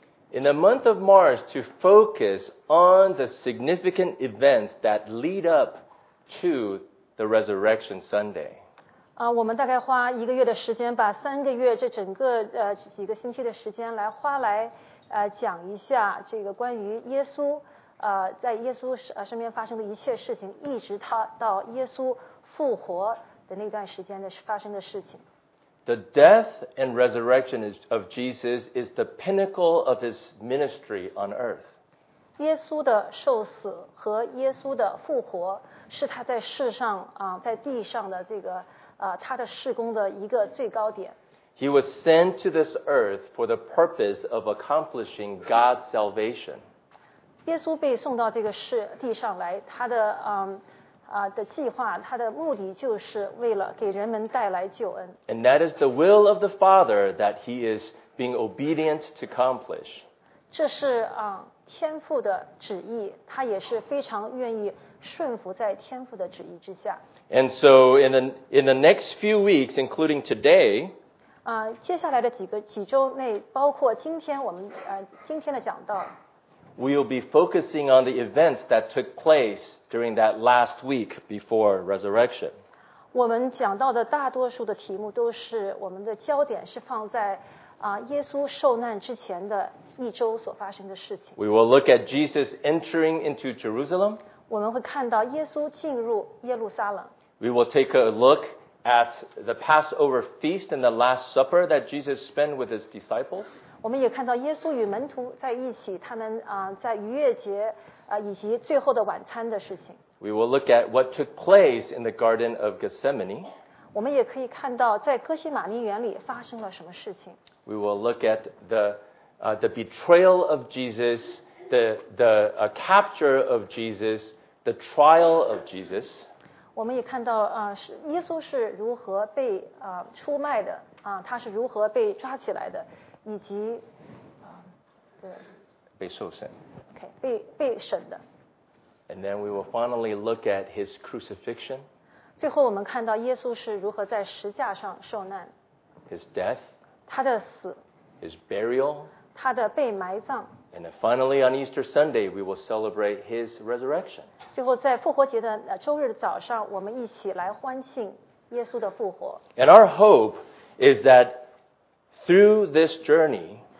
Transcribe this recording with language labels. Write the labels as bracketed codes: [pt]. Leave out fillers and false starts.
[en] In the month of March, to focus on the significant events that lead up to the Resurrection Sunday. [zh] 我们大概花一个月的时间，把三个月这整个几个星期的时间来花来讲一下这个关于耶稣在耶稣身边发生的一切事情，一直到耶稣复活。 [en] The death and resurrection of Jesus is the pinnacle of his ministry on earth. [zh] 耶稣的受死和耶稣的复活是他在世上啊，在地上的这个啊，他的事工的一个最高点。 [en] He was sent to this earth for the purpose of accomplishing God's salvation. [zh] 耶稣被送到这个世地上来，他的的计划，他的目的就是为了给人们带来救恩。 [en] And that is the will of the Father that he is being obedient to accomplish. [zh] 这是天父的旨意，他也是非常愿意顺服在天父的旨意之下。 [en] And so in the next few weeks, including today, [zh] 接下来的几周内，包括今天我们今天的讲道。 [en] We'll be focusing on the events that took place during that last week before resurrection. [zh] 我们讲到的大多数的题目都是我们的焦点是放在耶稣受难之前的一周所发生的事情。 [en] We will look at Jesus entering into Jerusalem. [zh] 我们会看到耶稣进入耶路撒冷。 [en] We will take a look at the Passover feast and the Last Supper that Jesus spent with his disciples. [zh] 我们也看到耶稣与门徒在一起，他们在逾越节以及最后的晚餐的事情。 [en] We will look at what took place in the Garden of Gethsemane. [zh] 我们也可以看到在哥西马尼园里发生了什么事情。 [en] We will look at the betrayal of Jesus, the capture of Jesus, the trial of Jesus. [zh] 我们也看到耶稣是如何被出卖的他是如何被抓起来的，以及被受审。 Okay, 被审的。 [en] And then we will finally look at his crucifixion. [zh] 最后我们看到耶稣是如何在十架上受难。 [en] His death. [zh] 他的死, [en] his burial, [zh] 他的被埋葬, [en] and then finally on Easter Sunday, we will celebrate his resurrection. [zh] 最后在复活节的周日早上，我们一起来欢庆耶稣的复活。 [en] And our hope is that through this journey,